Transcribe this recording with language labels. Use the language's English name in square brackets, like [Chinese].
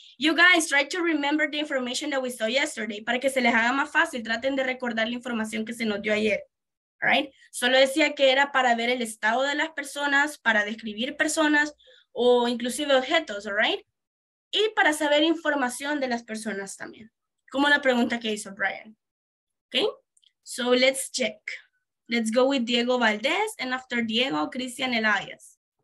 [English] You guys, try to remember the information that we saw yesterday. [Spanish] Para que se les haga más fácil, traten de recordar la información que se nos dio ayer. All right? Solo decía que era para ver el estado de las personas, para describir personas o inclusive objetos, all right? Y para saber información de las personas también. Como la pregunta que hizo Brian. Okay? [English] So let's check. Let's go with Diego Valdez and after Diego, Christian Elias.